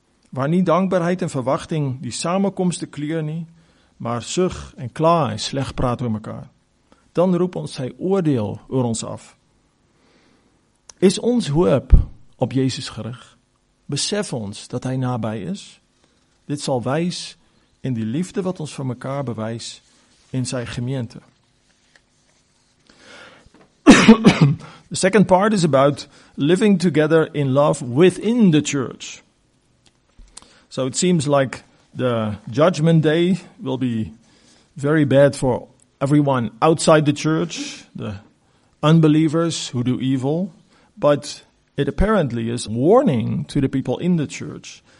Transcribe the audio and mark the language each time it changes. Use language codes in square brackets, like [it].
[af] Waar nie dankbaarheid en verwagting die samenkomste kleur nie, maar sug en klaar en slecht praat oor mekaar, dan roep ons sy oordeel oor ons af. Is ons hoop op Jezus gerig? Besef ons dat hy nabij is? Dit sal wys in die liefde wat ons vir mekaar bewys in sy gemeente. [en] The second part is about living together in love within the church. So it seems like the judgment day will be very bad for everyone outside the church, the unbelievers who do evil, but it apparently is a warning to the people in the church.